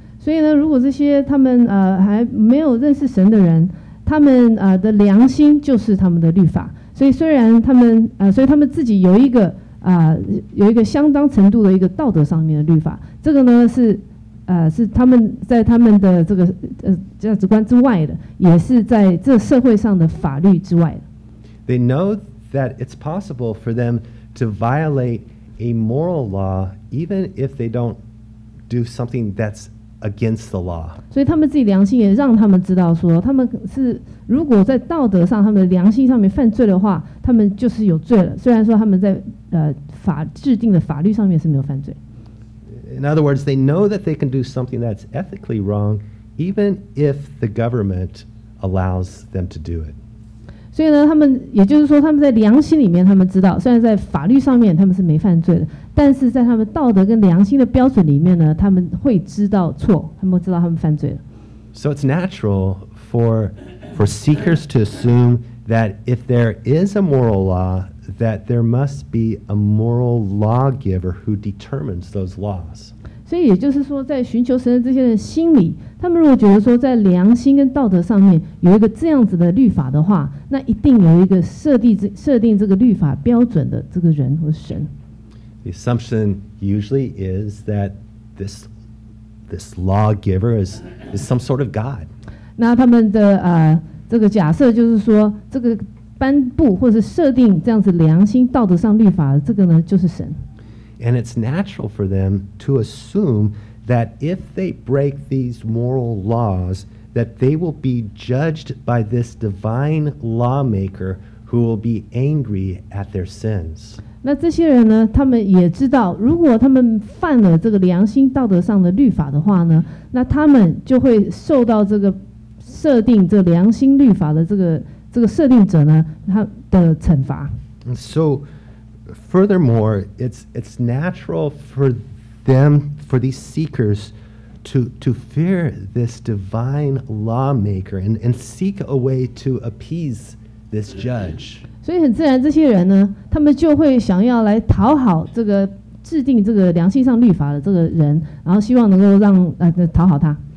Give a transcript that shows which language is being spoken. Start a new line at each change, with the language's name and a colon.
Chinese: 所以呢，如果这些他们还没有认识神的人，他们的良心就是他们的律法。所以虽然他们所以他们自己有一个。有一个相当程度的一个道德上面的律法，这个呢是他们在他们的这个价值观之外的，也是在这社会上的法律之外的。
English: They know that it's possible for them to violate a moral law, even if they don't do something that's against the law.
Chinese: 所以他们自己良心也让他们知道说，他们是如果在道德上他们的良心上面犯罪的话，他们就是有罪了。虽然说他们在法制定的法律上面是没有犯罪。
English: In other words, they know that they can do something that's ethically wrong, even if the government allows them to do it.
Chinese: 所以呢，他们也就是说，他们在良心里面，他们知道，虽然在法律上面他们是没犯罪的，但是在他们道德跟良心的标准里面呢，他们会知道错，他们知道他们犯罪了。
English: So it's natural for seekers to assume that if there is a moral law, that there must be a moral lawgiver who determines those laws.
Chinese: 所以也就是说，在寻求神的这些人心里，他们如果觉得说在良心跟道德上面有一个这样子的律法的话，那一定有一个设定这个律法标准的这个人或神。
English: The assumption usually is that this lawgiver is some sort of God.
Chinese: 那他们的这个假设就是说，这个颁布或是设定这样子良心道德上律法的这个呢，就是神。
English: And it's natural for them to assume that if they break these moral laws, that they will be judged by this divine lawmaker who will be angry at their sins.
Chinese: 那这些人呢，他们也知道，如果他们犯了这个良心道德上的律法的话呢，那他们就会受到这个设定这良心律法的这个设定者呢，他的惩罚。
English: So, furthermore, it's natural for these seekers to fear this divine lawmaker and seek a way to appease this judge.
Chinese: 所以很自然，这些人呢，他们就会想要来讨好这个制定这个良心上律法的这个人，然后希望能够让讨好他。